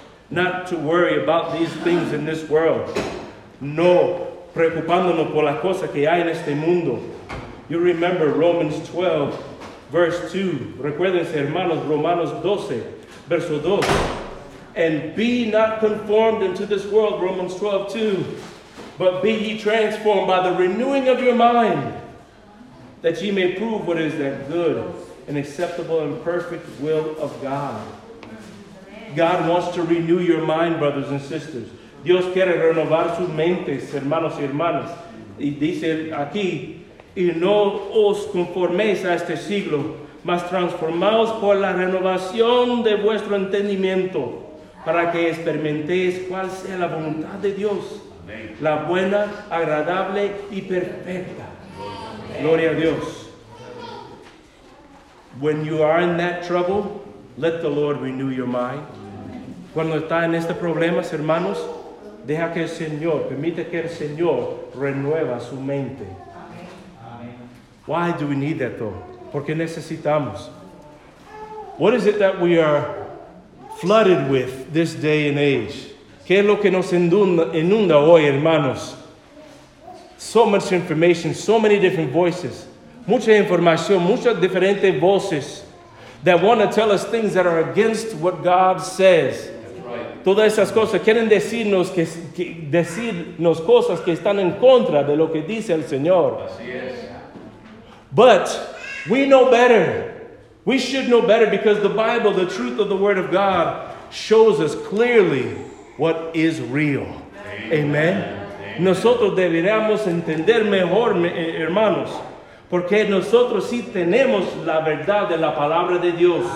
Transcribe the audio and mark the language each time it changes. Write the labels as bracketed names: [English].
[English] Not to worry about these things in this world. [Spanish] No preocupándonos por las cosas que hay en este mundo. [English] You remember Romans 12, verse 2. [Spanish] Recuérdense, hermanos, Romanos 12, verso 2. [English] And be not conformed into this world, Romans 12, 2. But be ye transformed by the renewing of your mind, that ye may prove what is that good and acceptable and perfect will of God. God wants to renew your mind, brothers and sisters. [Spanish] Dios quiere renovar sus mentes, hermanos y hermanas. Y dice aquí, y no os conforméis a este siglo, mas transformaos por la renovación de vuestro entendimiento, para que experimentéis cuál sea la voluntad de Dios. La buena, agradable y perfecta. Gloria a Dios. [English] When you are in that trouble, let the Lord renew your mind. [Spanish] Cuando está en este problema, hermanos, deja que el Señor, permite que el Señor renueva su mente. [English] Why do we need that though? [Spanish] ¿Por qué necesitamos? [English] What is it that we are flooded with this day and age? [Spanish] ¿Qué es lo que nos inunda hoy, hermanos? [English] So much information, so many different voices. [Spanish] Mucha información, muchas diferentes voces [English] that want to tell us things that are against what God says. [Spanish] Todas esas cosas quieren decirnos decirnos cosas que están en contra de lo que dice el Señor. Así es. [English] But we know better. We should know better because the Bible, the truth of the Word of God, shows us clearly what is real. Amen. Amen. [Spanish] Nosotros deberíamos entender mejor, hermanos, porque nosotros sí tenemos la verdad de la palabra de Dios.